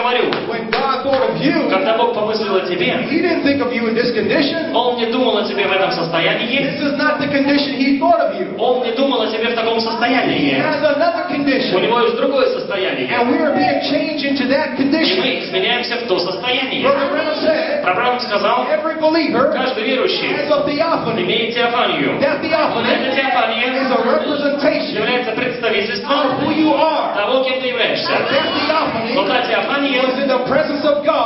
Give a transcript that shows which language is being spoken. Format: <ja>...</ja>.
<en>He didn't think of you in this condition.</en> <ru>Он не думал о тебе в этом состоянии.</ru> <en>This is not the condition he thought of you.</en> <ru>Он не думал о тебе в таком состоянии.</ru> <en>He has another condition.</en> <ru>У него есть другое состояние.</ru> <en>And we are being changed into that condition.</en> <ru>И мы изменяемся в то состояние.</ru> <en>Brother Brown</en> <ru>сказал,</ru> <en>every believer,</en> <ru>каждый верующий,</ru> <en>has a theophany.</en> <ru>Имеет теофанию.</ru> <en>That theophany,</en> <ru>эта теофания,</ru> <en>is a representation,</en> <ru>является представительством</ru> <en>of who you are.</en> <ru>Того, кем ты являешься.</ru> <en>That theophany,</en> <ru>но та теофания,</ru> <en>was in the presence of God.</en>